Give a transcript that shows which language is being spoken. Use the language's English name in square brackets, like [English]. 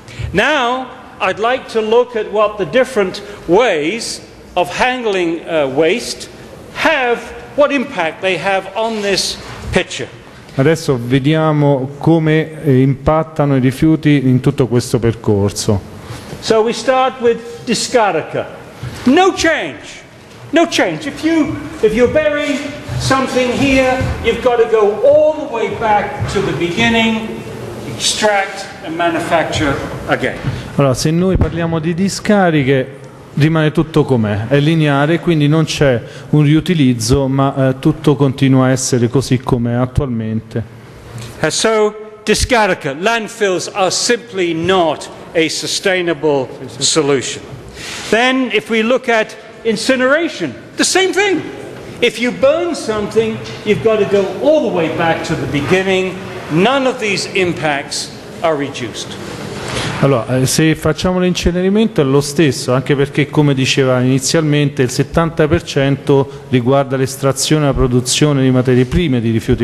[English] Now I'd like to look at what the different ways of handling waste have, what impact they have on this picture. [Italian] Adesso vediamo come impattano i rifiuti in tutto questo percorso. [English] So we start with discarica. No change. No change. If you bury something here, you've got to go all the way back to the beginning, extract and manufacture again. [Italian] Allora, se noi parliamo di discariche, rimane tutto com'è. È lineare, quindi non c'è un riutilizzo, ma tutto continua a essere così com'è attualmente. [English] So, discarica. Landfills are simply not a sustainable solution. Then, if we look at incineration, the same thing. If you burn something, you've got to go all the way back to the beginning. None of these impacts are reduced. [Italian] Allora, se facciamo l'incenerimento è lo stesso, anche perché, come diceva inizialmente, il 70% riguarda l'estrazione e la produzione di materie prime di rifiuti.